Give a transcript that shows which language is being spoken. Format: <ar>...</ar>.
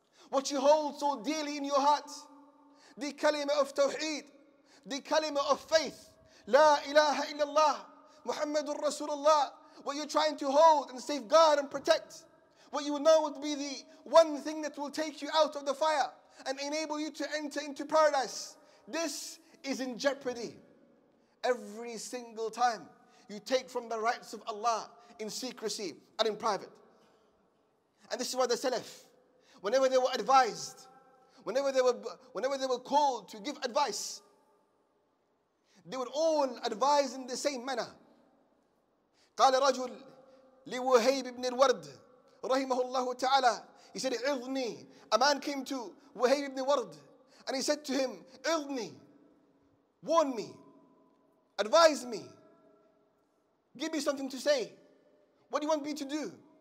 <en>What you hold so dearly in your heart, the kalima of tawheed, the kalima of faith, La ilaha illallah, Muhammadur Rasulullah, what you're trying to hold and safeguard and protect, what you know would be the one thing that will take you out of the fire and enable you to enter into paradise, this is in jeopardy every single time you take from the rights of Allah in secrecy and in private. And this is why the Salaf, whenever they were advised, whenever they were called to give advice, they would all advise in the same manner.</en> <ar>قال رجل لوهيب بن الورد رحمه الله تعالى,</ar> <en>he said,</en> <ar>اغني.</ar> <en>A man came to وهيب بن الورد and he said to him,</en> <ar>اغني,</ar> <en>warn me, advise me, give me something to say, what do you want me to do?</en>